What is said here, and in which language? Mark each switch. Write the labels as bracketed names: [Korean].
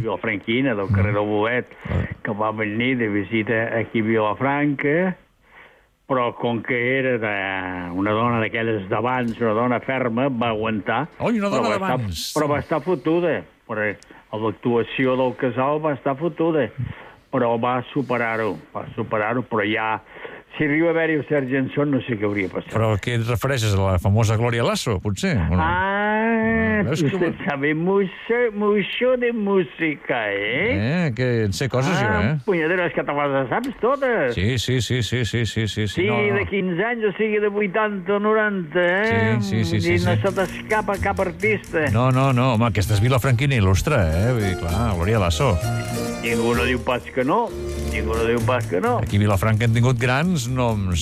[Catalan] Vilafranquina, del carrer del Bolet, que va venir de visita aquí a Vilafranca, però com que era una dona d'aquelles d'abans, una dona ferma, va aguantar. Oi, una dona d'abans! Però va estar fotuda. L'actuació del casal va estar fotuda, però va superar-ho, però ja... Si arriba a haver-hi el Sergi Anson, no sé què hauria passat. Però què et refereixes, a la famosa Gloria Lasso, potser? Ah, [Spanish] Saber mucho de música, eh? [Catalan] Que en sé coses, jo, eh? Punyaderes catalanes, saps totes? Sí. Sigui de 15 anys o sigui de 80 o 90, eh? Sí. I no se t'escapa cap artista. No, home, aquesta és Vilafranquina il·lustre, eh? Vull dir, clar, Glòria Lasso. Ningú no diu pas que no. Aquí a Vilafranca hem tingut grans noms.